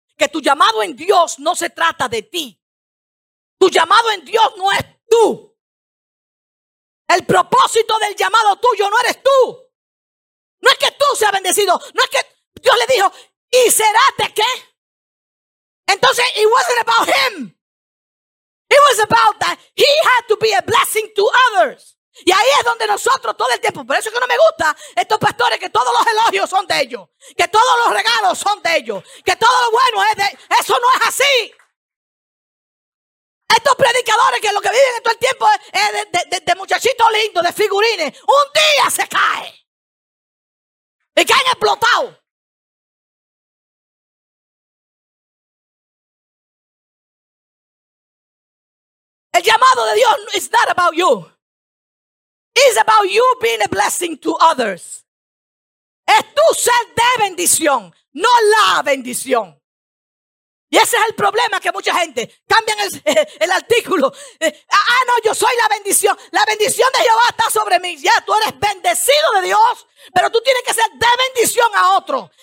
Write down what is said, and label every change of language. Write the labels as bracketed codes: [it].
[es] Que tu llamado en Dios no se trata de ti. Tu llamado en Dios no es tú. El propósito del llamado tuyo no eres tú. No es que tú seas bendecido. No es que Dios le dijo, ¿y serás de qué? [en] Entonces, it wasn't about him. It was about that he had to be a blessing to others. [es] Y ahí es donde nosotros todo el tiempo, por eso es que no me gusta estos pastores, que todos los elogios son de ellos, que todos los regalos son de ellos, que todo lo bueno es de ellos. Eso no es así. Estos predicadores que lo que viven todo el tiempo es de muchachitos lindos, de figurines, un día se cae. Y que han explotado. El llamado de Dios [en] is not about you. It's about you being a blessing to others. [es] Es tu ser de bendición, no la bendición. Y ese es el problema, que mucha gente cambian el artículo. No, yo soy la bendición. La bendición de Jehová está sobre mí. Ya, tú eres bendecido de Dios, pero tú tienes que ser de bendición a otro.